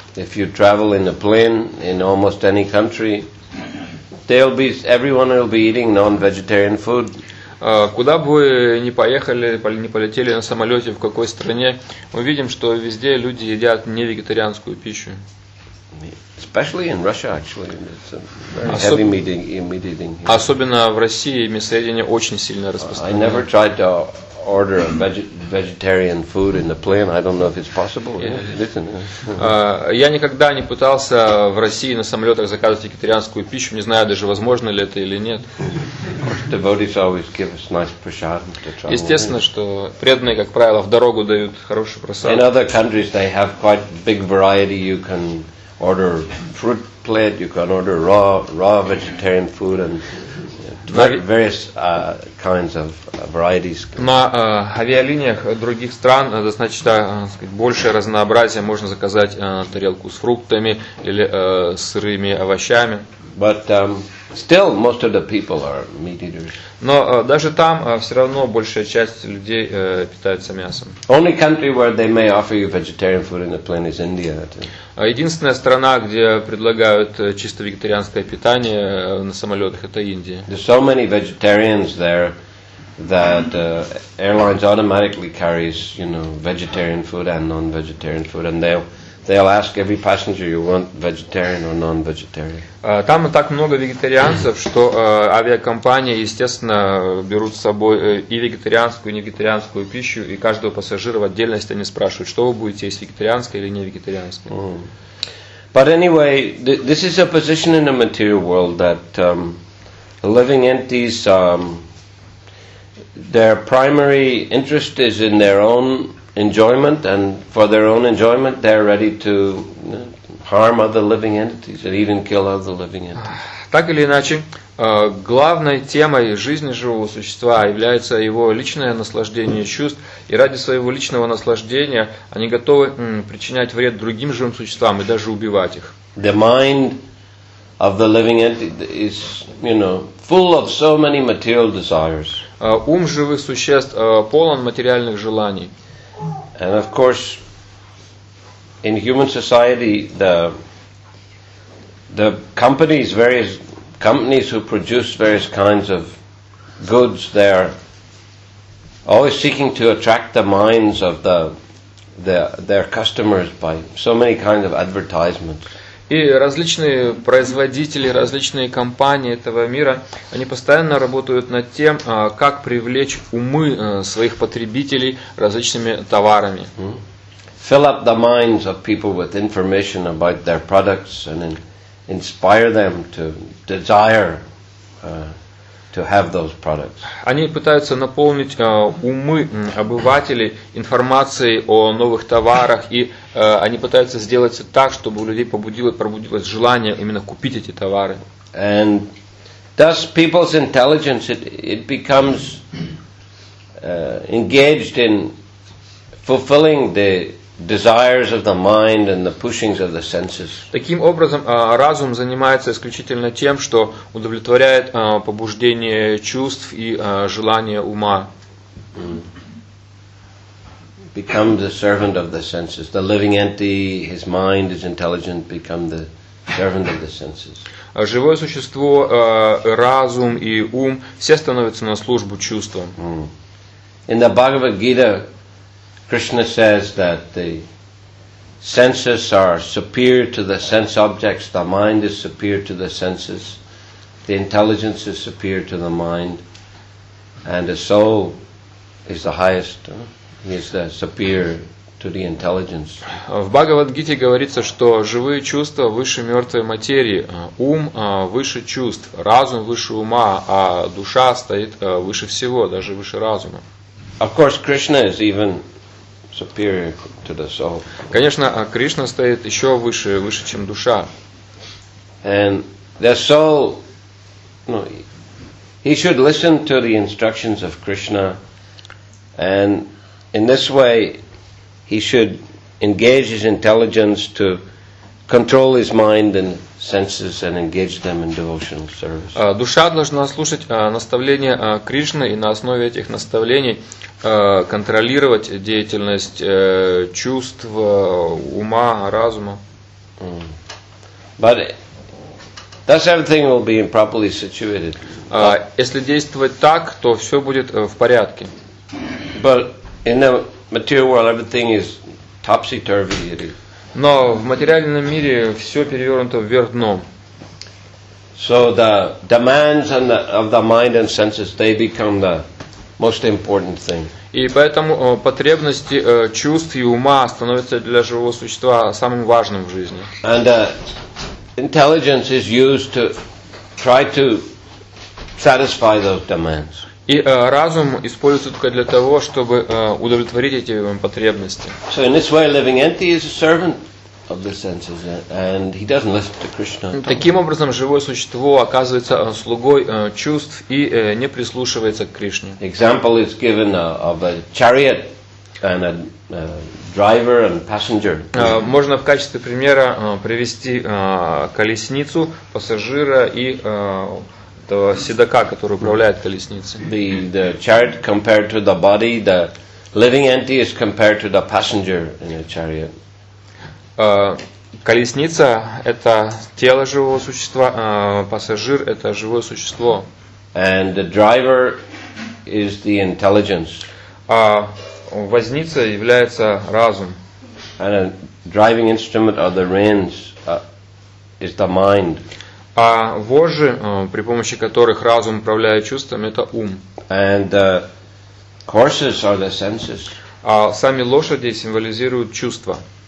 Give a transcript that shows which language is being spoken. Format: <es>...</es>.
<en>If you travel in a plane in almost any country, everyone will be eating non-vegetarian food.</en> <ru>Куда бы ни поехали, ни полетели на самолете, в какой стране, мы видим, что везде люди едят не вегетарианскую пищу.</ru> <en>Especially in Russia, actually, it's a very heavy meat eating.</en> <ru>Особенно в России мясоедение очень сильно распространено.</ru> <en>I never tried to order a vegetarian food in the plane. I don't know if it's possible.</en> <ru>Я никогда не пытался в России на самолетах заказывать вегетарианскую пищу. Не знаю, даже возможно ли это или нет.</ru> <en>Devotees always give us nice prasadam to travel.</en> <ru>Естественно, что преданные, как правило, в дорогу дают хороший просад.</ru> <en>In other countries, they have quite big variety. You can order fruit plate. You can order raw vegetarian food and various kinds of varieties.</en> <ru>На авиалиниях других стран достаточно, большее разнообразие. Можно заказать тарелку с фруктами или сырыми овощами.</ru> <en>But still, most of the people are meat eaters.</en> <ru>Но даже там все равно большая часть людей питаются мясом.</ru> <en>Only country where they may offer you vegetarian food in the plane is India.</en> <ru>Единственная страна, где предлагают чисто вегетарианское питание на самолетах, это Индия.</ru> <en>There's so many vegetarians there that airlines automatically carries, vegetarian food and non-vegetarian food, and they'll ask every passenger, you want vegetarian or non-vegetarian?</en> <ru>Там так много вегетарианцев, что авиакомпания, естественно, берут с собой и вегетарианскую, и невегетарианскую пищу, и каждого пассажира в отдельности они спрашивают, что вы будете есть, вегетарианское или невегетарианское.</ru> <en>But anyway, this is a position in the material world that living entities, their primary interest is in their own enjoyment, and for their own enjoyment, they're ready to harm other living entities and even kill other living entities.</en> <ru>Так или иначе, главной темой жизни живого существа является его личное наслаждение чувств, и ради своего личного наслаждения они готовы причинять вред другим живым существам и даже убивать их.</ru> <en>The mind of the living entity is, you know, full of so many material desires.</en> <ru>Ум живых существ полон материальных желаний.</ru> <en>And of course, in human society, the companies, various companies who produce various kinds of goods, they're always seeking to attract the minds of their customers by so many kinds of advertisements.</en> <ru>И различные производители, различные компании этого мира, они постоянно работают над тем, как привлечь умы своих потребителей различными товарами.</ru> <en>Fill up the minds of people with information about their products and inspire them to desire to have those products.</en> <ru>Они пытаются наполнить умы обывателей информацией о новых товарах, и они пытаются сделать так, чтобы у людей пробудилось желание именно купить эти товары.</ru> <en>And thus people's intelligence it becomes engaged in fulfilling the desires of the mind and the pushings of the senses.</en> <ru>Таким образом, разум занимается исключительно тем, что удовлетворяет побуждение чувств и желания ума.</ru> <en>Become the servant of the senses. The living entity, his mind, his intelligence become the servant of the senses.</en> <ru>Живое существо, разум и ум, все становятся на службу чувствам.</ru> <en>In the Bhagavad Gita, Krishna says that the senses are superior to the sense objects, the mind is superior to the senses, the intelligence is superior to the mind, and the soul is the highest, is the superior to the intelligence.</en> <ru>В Бхагавад-гите говорится, что живые чувства выше мертвой материи, ум выше чувств, разум выше ума, а душа стоит выше всего, даже выше разума.</ru> <en>Of course, Krishna is even superior to the soul.</en> <ru>Конечно, Кришна стоит еще выше, чем душа.</ru> <en>And the soul, he should listen to the instructions of Krishna, and in this way, he should engage his intelligence to control his mind and senses and engage them in devotional service.</en> <ru>Душа должна слушать наставления Кришны и на основе этих наставлений контролировать деятельность чувств, ума, разума.</ru> <en>But thus everything will be improperly situated.</en> <ru>Если действовать так, то все будет в порядке.</ru> <en>But in the material world everything is topsy-turvy.</en> <ru>Но в материальном мире все перевернуто вверх дном.</ru> <en>So the demands of the mind and senses, they become the most important thing.</en> <ru>И поэтому потребности чувств и ума становятся для живого существа самым важным в жизни.</ru> <en>And intelligence is used to try to satisfy those demands.</en> <ru>И разум используется только для того, чтобы удовлетворить эти потребности.</ru> <en>So in this way, living entity is a servant of the senses, and he doesn't listen to Krishna.</en> <ru>Таким образом, живое существо оказывается слугой чувств и не прислушивается к Кришне.</ru> <en>Example is given of a chariot and a driver and passenger.</en> <ru>Можно в качестве примера привести колесницу, пассажира и этого седока, который управляет колесницей.</ru> <en>The chariot compared to the body, the living entity is compared to the passenger in a chariot.</en> <ru>Колесница – это тело живого существа, пассажир – это живое существо.</ru> <en>And the driver is the intelligence.</en> <ru>Возница является разум.</ru> <en>And a driving instrument are the reins, is the mind.</en> <ru>А вожжи, при помощи которых разум управляет чувством – это ум.</ru> <en>And the horses are the senses.</en> <ru>А сами лошади символизируют чувства.</ru>